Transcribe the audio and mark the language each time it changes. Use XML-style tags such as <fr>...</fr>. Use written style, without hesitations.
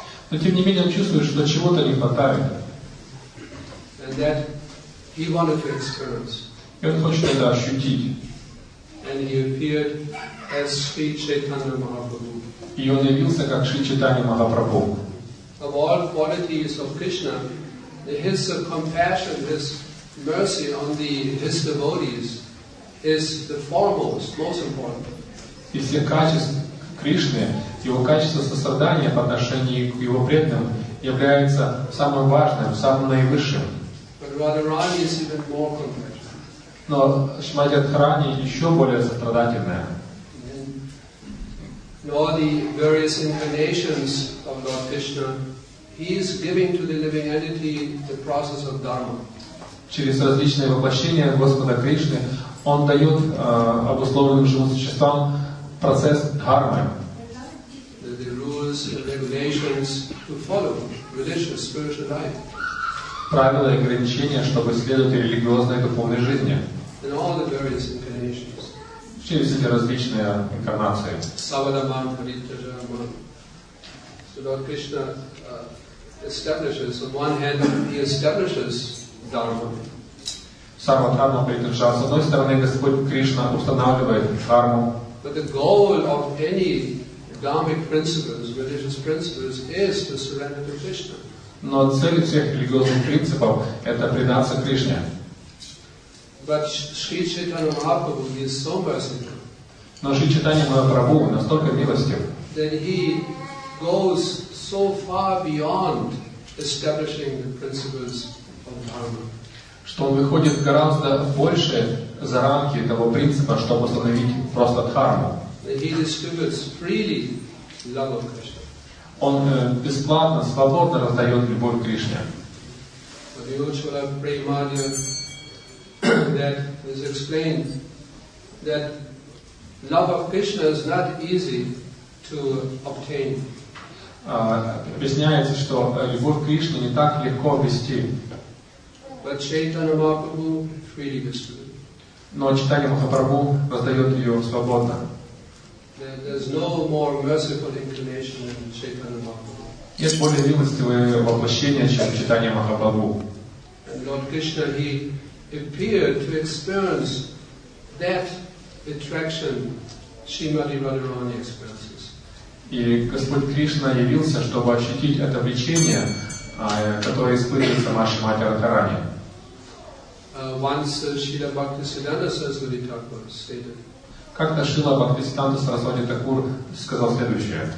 <ru>Но тем не менее он чувствует, что чего-то не хватает.</ru> <en>And that he wanted to experience.</en> <ru>И он хочет это ощутить.</ru> <en>And he appeared as Sri Chaitanya Mahaprabhu.</en> <ru>И он явился как Шри Чайтанья Махапрабху.</ru> <en>Of all qualities of Krishna, his compassion, his mercy on the his devotees is the foremost, most important.</en> <ru>Из всех качеств Кришны, его качество сострадания по отношению к его преданным является самым важным, самым наивысшим.</ru> <en>But Radharani is even more compassionate.</en> <ru>Но Шримати Радхарани еще более сострадательная.</ru> <en>All the various incarnations of Lord Krishna, he is giving to the living entity the process of dharma.</en> <ru>Через различные воплощения Господа Кришны он дает обусловленным живым существам процесс дхармы.</ru> <en>The rules and regulations to follow religious spiritual life.</en> <ru>Правила и ограничения, чтобы следовать религиозной духовной жизни.</ru> <en>In all the various incarnations.</en> <ru>Через эти различные инкарнации.</ru> <sa>Савадаман, Паритаджама.</sa> <en>So Lord Krishna establishes, on one hand, he establishes Dharma.</en> <sa>Савадаман, Паритаджама.</sa> <ru>С одной стороны, Господь Кришна устанавливает Дхарму.</ru> <en>But the goal of any Dharmic principles, religious principles, is to surrender to Krishna.</en> <ru>Но цель всех религиозных принципов – это предаться Кришне.</ru> <en>But Sri Chaitanya Mahaprabhu is so merciful.</en> <ru>Но Шри Чайтанья Махапрабху настолько милостив.</ru> <en>That he goes so far beyond establishing the principles of dharma.</en> <ru>Что он выходит гораздо больше за рамки того принципа, чтобы установить просто дхарму.</ru> <en>That he distributes freely love of Krishna.</en> <ru>Он бесплатно, свободно раздает любовь к Кришне.</ru> <en>That is explained that love of Krishna is not easy to obtain.</en> <ru>Объясняется, что любовь к Кришне не так легко обрести.</ru> <en>But Chaitanya Mahaprabhu freely bestows.</en> <ru>Но Чайтанья Махапрабху раздает ее свободно.</ru> <en>There's no more merciful incarnation than Chaitanya Mahaprabhu.</en> <ru>Нет более милостивого воплощения, чем Чайтанья Махапрабху.</ru> <en>And Lord Krishna, he appeared to experience that attraction Srimati Radharani experiences.</en> <ru>И Господь Кришна явился, чтобы ощутить это влечение, которое испытывает сама Шримати Радхарани.</ru> <en>Once Srila Bhaktisiddhanta Saraswati Thakur stated.</en> <ru>Как-то Шрила Бхактисиддханта Сарасвати Такур сказал следующее.</ru>